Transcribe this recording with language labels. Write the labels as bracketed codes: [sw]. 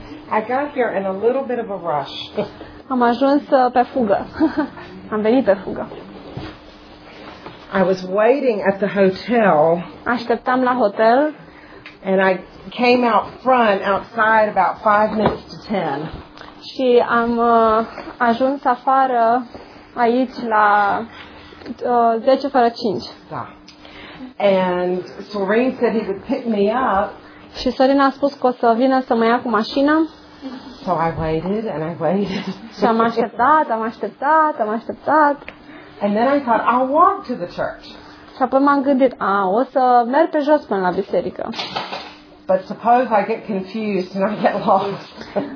[en] I got here in a little bit of a rush. [ro] Am ajuns pe fugă. Am venit pe fugă. [en] I was waiting at the hotel. [ro] Așteptam la hotel. [en] And I came out front outside about 5 minutes to 10. [ro] Și am ajuns afară aici la 5:10. Da. [en] And Soren said he would pick me up. [ro] Și Soren a spus că o să vină să mă ia cu mașina. [en] So I waited and I waited. [ro] Și am așteptat, am așteptat, am așteptat. [en] And then I thought, I'll walk to the church. [ro] Și apoi m-am gândit, a, o să merg pe jos până la biserică. [en] But suppose I get confused and I get lost.